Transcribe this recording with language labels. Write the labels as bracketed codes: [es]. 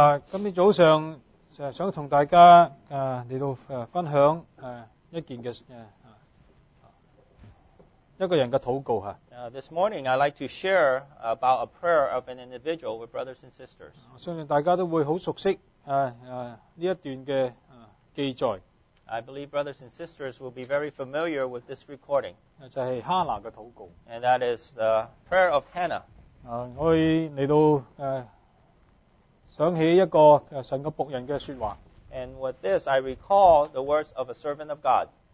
[zh] 今天早上想跟大家来到分享一件的一个人的祷告。 [en] This morning I'd like to share about a prayer of an individual with brothers and sisters. [zh] 相信大家都会很熟悉这一段的记载。 [en] I believe brothers and sisters will be very familiar with this recording. [zh] 就是哈拿的祷告。 [en] And that is the prayer of Hannah. [zh] 我会来到想起一个神的仆人的说话。 [en] And with this, I recall the words of a servant of God.